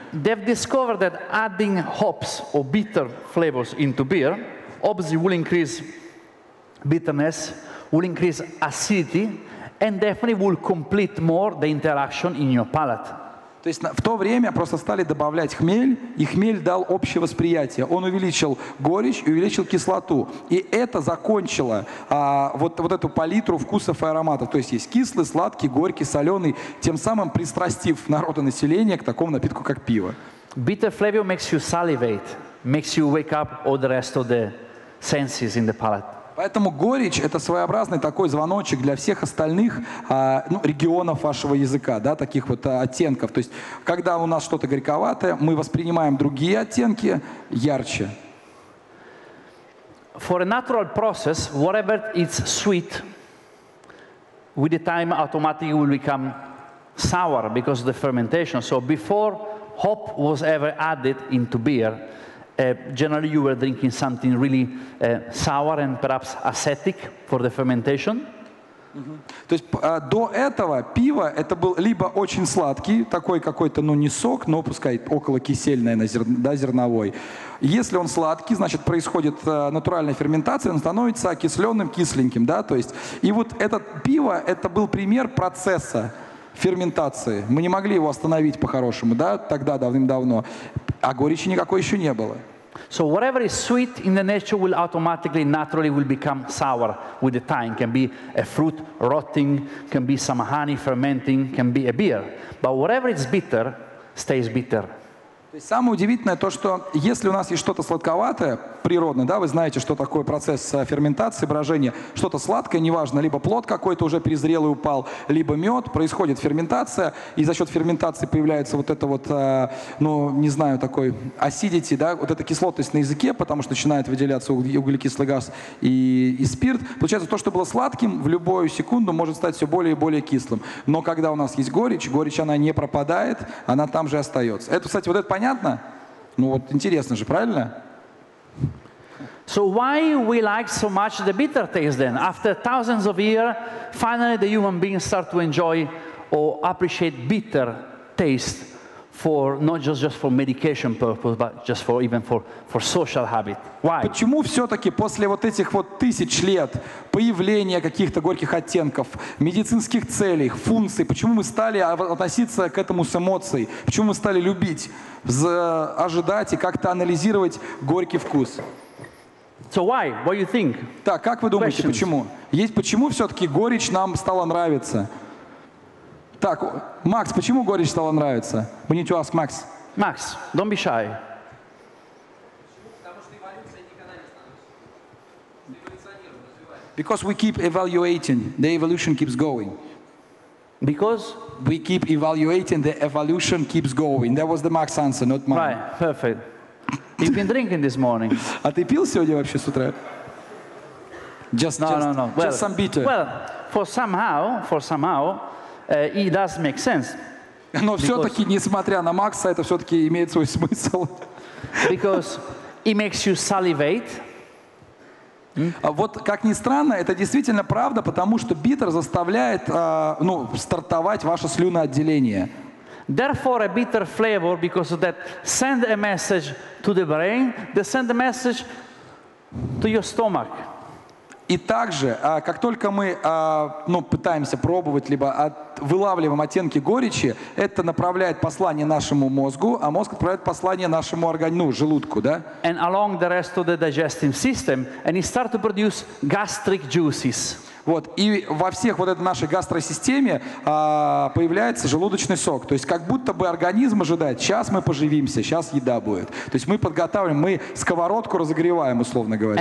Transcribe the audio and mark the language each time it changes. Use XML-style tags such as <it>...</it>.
<en>They've discovered that adding hops or bitter flavors into beer, obviously will increase bitterness, will increase acidity, and definitely will complete more the interaction in your palate.</en> <ru>То есть в то время просто стали добавлять хмель, и хмель дал общее восприятие. Он увеличил горечь и увеличил кислоту. И это закончило вот эту палитру вкусов и ароматов. То есть есть кислый, сладкий, горький, соленый, тем самым пристрастив народ и население к такому напитку, как пиво.</ru> <en>Bitter flavor makes you salivate, makes you wake up all the rest of the senses in the palate.</en> <ru>Поэтому горечь – это своеобразный такой звоночек для всех остальных регионов вашего языка, да, таких вот оттенков. То есть, когда у нас что-то горьковатое, мы воспринимаем другие оттенки ярче.</ru> <en>For a natural process, whatever it's sweet, with the time automatically will become sour because of the fermentation. So before hop was ever added into beer, generally, you were drinking something really sour and perhaps acetic for the fermentation.</en> <ru>То есть до этого пиво это был либо очень сладкий, такой какой-то, не сок, но пускай около кисельное, зерновой. Если он сладкий, значит происходит натуральная ферментация, он становится окисленным, кисленьким, да. То есть и вот это пиво это был пример процесса ферментации. Мы не могли его остановить по-хорошему, да, тогда давным-давно. А горечи никакой еще не было.</ru> <en>So whatever is sweet in the nature will automatically, naturally will become sour with the time. Can be a fruit rotting, can be some honey fermenting, can be a beer. But whatever is bitter stays bitter.</en> <ru>То есть самое удивительное то, что если у нас есть что-то сладковатое, природное, да, вы знаете, что такое процесс ферментации, брожения, что-то сладкое, неважно, либо плод какой-то уже перезрелый упал, либо мед, происходит ферментация, и за счет ферментации появляется вот это вот, такой acidity, да, вот эта кислотность на языке, потому что начинает выделяться углекислый газ и спирт. Получается, то, что было сладким, в любую секунду может стать все более и более кислым. Но когда у нас есть горечь, горечь она не пропадает, она там же остается. Это, кстати, вот это понятно? Ну вот интересно же, правильно?</ru> <en>So why we like so much the bitter taste then? After thousands of years, finally the human beings start to enjoy or appreciate bitter taste for not just for medication purpose, but just for even for social habit. Why?</en> <ru>Почему все-таки после вот этих вот тысяч лет появления каких-то горьких оттенков, медицинских целей, функций, почему мы стали относиться к этому с эмоцией? Почему мы стали любить, ожидать и как-то анализировать горький вкус?</ru> <en>So why? What do you think?</en> <ru>Так, как вы думаете, Questions. Почему? Есть почему все-таки горечь нам стала нравиться? Так, Макс, почему горечь стала нравиться?</ru> <en>We need to ask Max. Max, don't be shy.</en> <ru>Почему? Потому что эволюция никогда не становится.</ru> <en>Because we keep evaluating, the evolution keeps going. Because we keep evaluating, the evolution keeps going. That was the Max answer, not mine. Right, perfect. You've been drinking this morning.</en> <ru>А ты пил сегодня вообще с утра?</ru> <en>No. Well, just some bitter. Well, for somehow, it does make sense.</en> <ru>Но все-таки, несмотря на Макса, это все-таки имеет свой смысл.</ru> <en>Because it makes you salivate.</en> <ru>А вот как ни странно, это действительно правда, потому что bitter заставляет, стартовать ваше слюноотделение.</ru> <en>Therefore, a bitter flavor, because of that, send a message to the brain, they send a message to your stomach.</en> <ru>И также, как только мы пытаемся пробовать, либо вылавливаем оттенки горечи, это направляет послание нашему мозгу, а мозг отправляет послание нашему организму, ну, желудку, да?</ru> <en>And along the rest of the digestive system, and it starts to produce gastric juices.</en> <ru>Вот, и во всех вот этой нашей гастросистеме появляется желудочный сок. То есть как будто бы организм ожидает, сейчас мы поживимся, сейчас еда будет. То есть мы подготавливаем, мы сковородку разогреваем, условно говоря.</ru>